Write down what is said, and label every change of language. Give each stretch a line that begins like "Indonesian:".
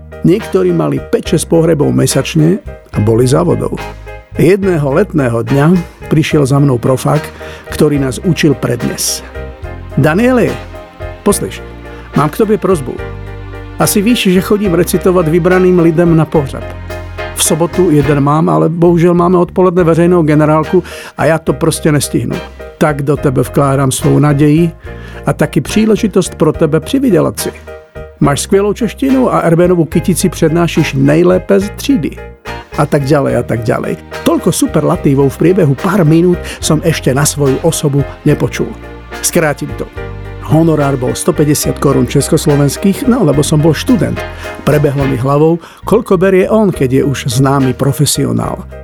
Slovak: Niektorí mali 5-6 pohrebov mesačne a boli závodov. Jedného letného dňa prišiel za mnou profák, ktorý nás učil prednes.
Czech: Daniele, poslíš, mám k tobie prosbu. Asi víš, že chodím recitovať vybraným lidem na pohreb. V sobotu jeden mám, ale bohužel máme odpoledne veřejnou generálku a ja to proste nestihnu. Tak do tebe vkládam svou naději a taky příležitost pro tebe přivydělat si. Máš skvělou češtinu a Erbenovu kytici přednášíš nejlépe z třídy.
Slovak: A tak ďalej a tak ďalej. Toľko superlatívou v priebehu pár minút som ešte na svoju osobu nepočul. Skrátim to. Honorár bol 150 korún československých, no lebo som bol študent. Prebehlo mi hlavou, koľko berie on, keď je už známy profesionál.